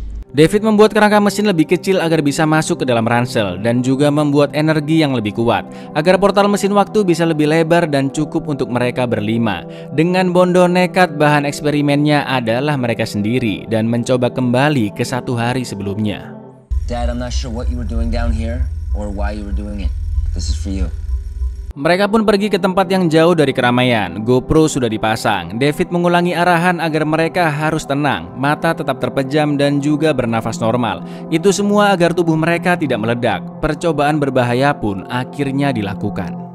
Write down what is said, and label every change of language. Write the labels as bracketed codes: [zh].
[id] David membuat kerangka mesin lebih kecil agar bisa masuk ke dalam ransel, dan juga membuat energi yang lebih kuat agar portal mesin waktu bisa lebih lebar dan cukup untuk mereka berlima. Dengan bondo nekat, bahan eksperimennya adalah mereka sendiri dan mencoba kembali ke 1 hari sebelumnya. [en] Dad, I'm not sure what you were doing down here or why you were doing it. This is for you. [id] Mereka pun pergi ke tempat yang jauh dari keramaian. GoPro sudah dipasang. David mengulangi arahan agar mereka harus tenang, mata tetap terpejam dan juga bernafas normal. Itu semua agar tubuh mereka tidak meledak. Percobaan berbahaya pun akhirnya dilakukan.